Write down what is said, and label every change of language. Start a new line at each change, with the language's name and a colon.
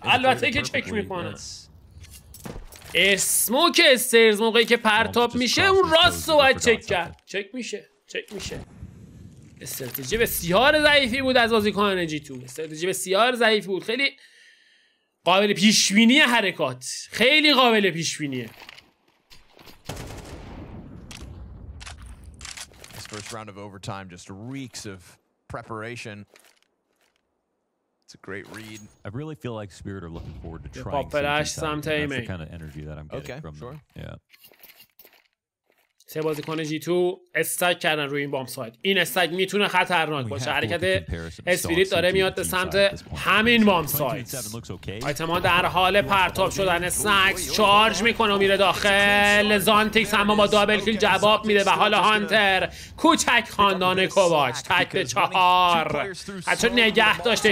Persian: البته که چک میکنن. اسموک استرز موقعی که پرتاب میشه اون راست رو باید چک کرد. چک میشه، چک میشه. استراتژی بسیار ضعیفی بود از بازیکنان جی تو. استراتژی بسیار ضعیفی بود. خیلی قابل پیشبینی حرکات، خیلی قابل پیشبینیه.
English: This first round of overtime just reeks of preparation. It's a great read. I really feel like Spirit are looking forward to trying something. That's the kind of energy that I'm getting from them. Okay, sure. Yeah.
Persian: سه بازیکن جی تو استک کردن روی این بام سایت. این استک میتونه خطرناک باشه. حرکت اسپریت داره میاد به سمت همین بام سایت. آیتما در حال پرتاب شدن. سکس شارژ میکنه و میره داخل. زانتیکس هم با دابل کیل جواب میده و حالا هانتر کوچک خاندان کوواچ تک به 4 حتی نگه داشته.